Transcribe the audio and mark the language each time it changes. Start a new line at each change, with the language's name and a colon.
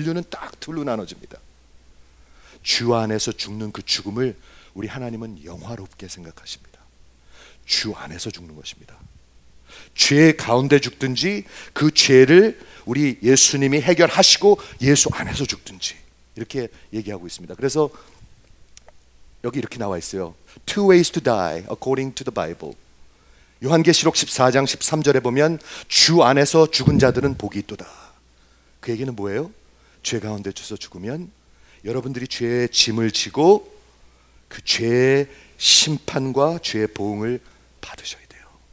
Korean: 인류는 딱 둘로 나눠집니다. 주 안에서 죽는 그 죽음을 우리 하나님은 영화롭게 생각하십니다. 주 안에서 죽는 것입니다. 죄 가운데 죽든지 그 죄를 우리 예수님이 해결하시고 예수 안에서 죽든지 이렇게 얘기하고 있습니다. 그래서 여기 이렇게 나와 있어요.
English: Two ways to die according to the Bible.
Korean: 요한계시록 14장 13절에 보면 주 안에서 죽은 자들은 복이 있도다. 그 얘기는 뭐예요? 죄 가운데 쳐서 죽으면 여러분들이 죄의 짐을 지고 그 죄의 심판과 죄의 보응을 받으셔야 돼요.